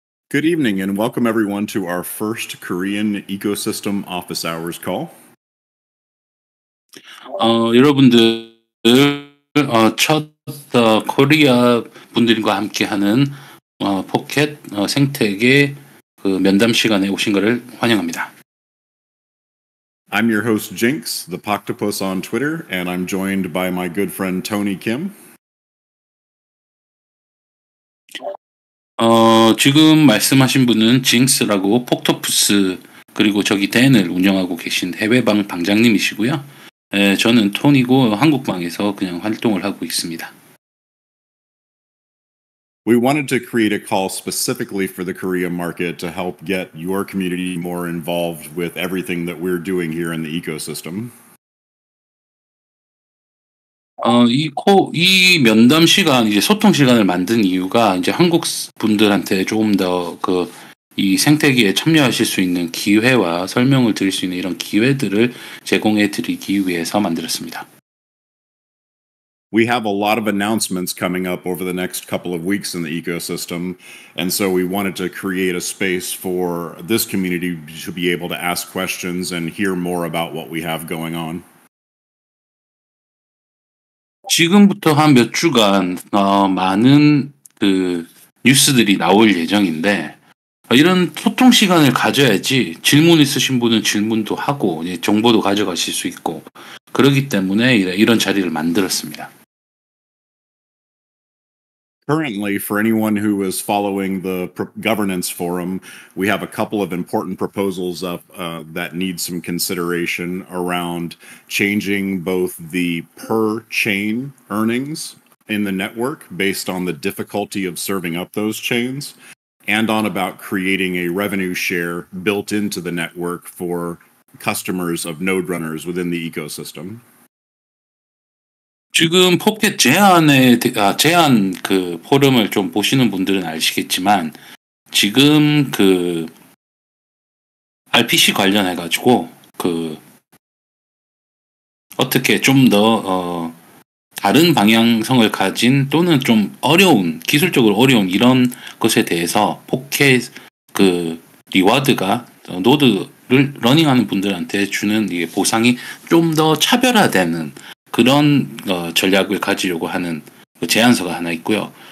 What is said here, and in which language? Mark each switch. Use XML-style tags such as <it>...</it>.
<en>Good evening and welcome everyone to our first Korean ecosystem office hours call.</en> <ko>여러분들 첫 코리아 분들과 함께하는 포켓 생태계 그 면담 시간에 오신 것을 환영합니다.</ko> <en>I'm your host Jinx, the Poctopus on Twitter, and I'm joined by my good friend Tony Kim.</en> <ko>지금 말씀하신 분은 Jinx라고 폭토푸스 그리고 저기 댄을 운영하고 계신 해외방 방장님이시고요. 예, 저는 톤이고 한국방에서 그냥 활동을 하고 있습니다.</ko> <en>We wanted to create a call specifically for the Korea market to help get your community more involved with everything that we're doing here in the ecosystem.</en> <ko>이 면담 시간 이제 소통 시간을 만든 이유가 이제 한국 분들한테 조금 더 그 이 생태계에 참여하실 수 있는 기회와 설명을 드릴 수 있는 이런 기회들을 제공해 드리기 위해서 만들었습니다.</ko> <en>We have a lot of announcements coming up over the next couple of weeks in the ecosystem, and so we wanted to create a space for this community to be able to ask questions and hear more about what we have going on.</en> <ko>지금부터 한 몇 주간 많은 그 뉴스들이 나올 예정인데 이런 소통 시간을 가져야지 질문 있으신 분은 질문도 하고 이제 정보도 가져가실 수 있고 그러기 때문에 이런 자리를 만들었습니다.</ko> <en>Currently, for anyone who is following the governance forum, we have a couple of important proposals up that need some consideration around changing both the per chain earnings in the network based on the difficulty of serving up those chains, and on about creating a revenue share built into the network for customers of node runners within the ecosystem.</en> <ko>지금 포켓 제안 그 포럼을 좀 보시는 분들은 아시겠지만 지금 그 RPC 관련해 가지고 그 어떻게 좀 더 다른 방향성을 가진 또는 좀 어려운 기술적으로 어려운 이런 것에 대해서 포켓 그 리워드가 노드를 러닝하는 분들한테 주는 이게 보상이 좀 더 차별화되는 그런 전략을 가지려고 하는 제안서가 하나 있고요.</ko>